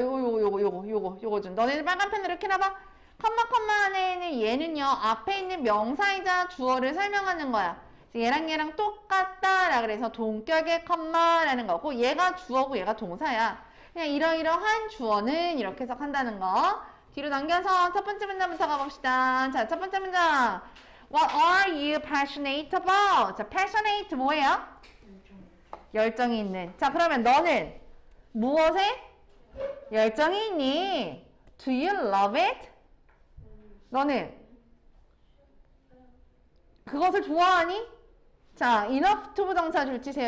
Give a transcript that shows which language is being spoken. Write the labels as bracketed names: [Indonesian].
[Korean] 요거 좀. 너네들 빨간 펜으로 이렇게 해놔봐. 컴마 안에 있는 얘는요, 앞에 있는 명사이자 주어를 설명하는 거야. 얘랑 똑같다라 그래서 동격의 컴마라는 거고, 얘가 주어고 얘가 동사야. 그냥 이러이러한 주어는 이렇게 해석한다는 거. 뒤로 넘겨서 첫 번째 문장부터 가봅시다. 자, 첫 번째 문장. [English] What are you passionate about? [Korean] 자, passionate 뭐예요? 열정이 있는. 자, 그러면 너는 무엇에 열정이 있니? [English] Do you love it? [Korean] 너는 그것을 좋아하니? 자, enough to 부정사 줄 치세요.